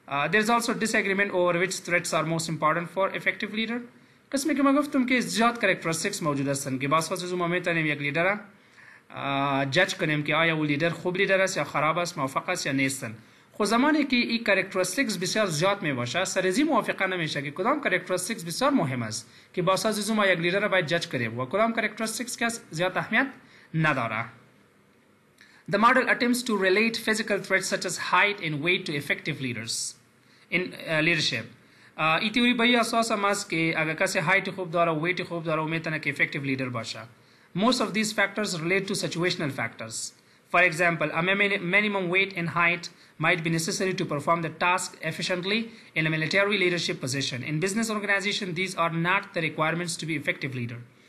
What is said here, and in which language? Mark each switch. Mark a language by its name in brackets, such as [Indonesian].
[English] There is also disagreement over which threats are most important for effective leader. [Persian] قسمی که ما گفتم که زیاد کریکترستیکس موجود هستن که باز خواست از ما میتونیم یک لیدر جج کنیم که آیا او لیدر خوب لیدر است یا خراب است، موافق است یا نیستن. خو زمانی که این کریکترستیکس بسیار زیاد میباشه سرزی موافقه نمیشه که کدام کریکترستیکس بسیار مهم است که باز خواست از ما یک لیدر باید جج کنیم و کدام کریکترستیکس که زیاد اهمیت نداره. [English] The model attempts to relate physical threats such as height and weight to effective leaders in leadership. [Persian] ای تیوری بایی اساس هم است که اگر کسی height خوب داره و weight خوب داره و میتونه که [English] effective leader [Persian] باشه. [English] Most of these factors relate to situational factors. For example, a minimum weight and height might be necessary to perform the task efficiently in a military leadership position. In business organization, these are not the requirements to be effective leader.